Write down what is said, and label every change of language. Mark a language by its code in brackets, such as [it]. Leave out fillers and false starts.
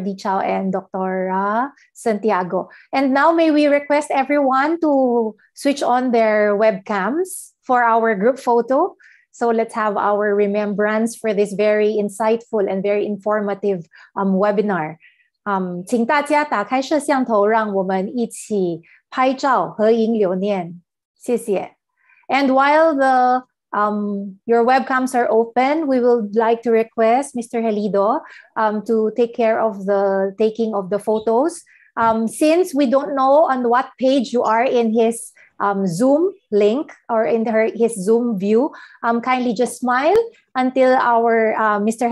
[en] Di Chow and Dr. Santiago. And now may we request everyone to switch on their webcams for our group photo. So let's have our remembrance for this very insightful and very informative webinar. [zh] 请大家打开摄像头，让我们一起拍照合影留念。谢谢。 [en] And while the your webcams are open, we would like to request Mr. Helido to take care of the taking of the photos. Since we don't know on what page you are in his Zoom link or in his Zoom view, kindly just smile until our Mr.